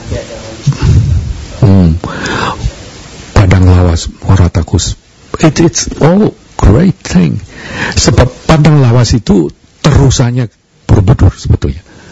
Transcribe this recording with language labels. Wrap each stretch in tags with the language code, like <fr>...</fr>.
<id>Jambi juga mungkin Cipta Wijaya, juga yang tempat lain.</id> <en>Lawas Muara Takus, it's all great thing.</en> <id>Sebab Padang Lawas itu terusannya Borobudur sebetulnya.</id>